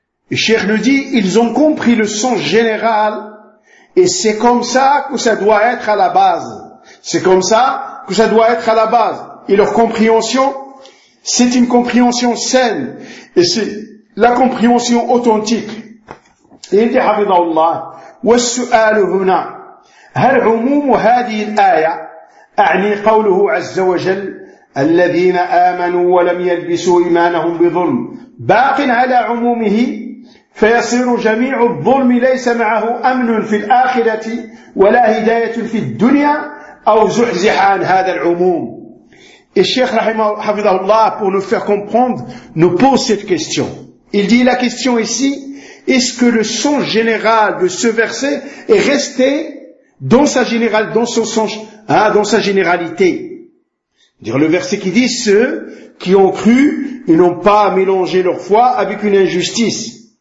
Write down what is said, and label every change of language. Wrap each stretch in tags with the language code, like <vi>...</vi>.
<fr>Le cheikh le dit, ils ont compris le sens général, et c'est comme ça que ça doit être à la base. C'est comme ça que ça doit être à la base. Et leur compréhension, c'est une compréhension saine, et c'est la compréhension authentique. Et il dit,</fr> <ar>Habibullah, « وَالسُّؤَالُ هُنَا هَلْ عُمُومُ هَذِهِ الْآيَةِ أعني قوله عز وجل الذين آمنوا ولم يلبسوا إيمانهم بظلم باق على عمومه، فيصير جميع الظلم ليس معه أمن في الآخرة ولا هداية في الدنيا أو زحزح عن هذا العموم. الشيخ رحمه حفظه الله</ar> <fr>pour nous faire comprendre nous pose cette question. Il dit la question ici, est-ce que le sens général de ce verset est resté dans sa générale, dans son sens, hein, dans sa généralité. Dire le verset qui dit, ceux qui ont cru, ils n'ont pas mélangé leur foi avec une injustice.</fr>